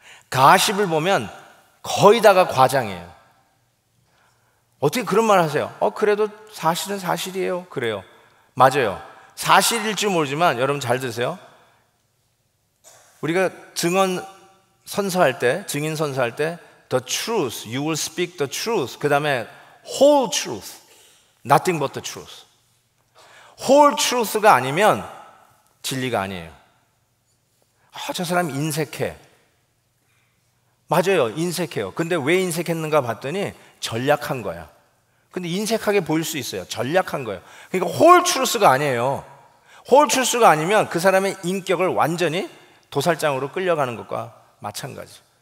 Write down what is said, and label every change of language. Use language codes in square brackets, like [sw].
[ko] 가십을 보면 거의 다가 과장이에요. 어떻게 그런 말 하세요? 그래도 사실은 사실이에요. 그래요. 맞아요. 사실일지 모르지만 여러분 잘 들으세요. 우리가 증언 선서할 때, 증인 선서할 때 [en] the truth, you will speak the truth. [ko] 그 다음에 [en] whole truth, nothing but the truth. whole truth [ko] 가 아니면 진리가 아니에요. 저 사람 인색해. 맞아요. 인색해요. 근데 왜 인색했는가 봤더니 전략한 거야. 근데 인색하게 보일 수 있어요. 전략한 거예요. 그러니까 [en] whole truth [ko] 가 아니에요. whole truth가 아니면 그 사람의 인격을 완전히 도살장으로 끌려가는 것과 마찬가지.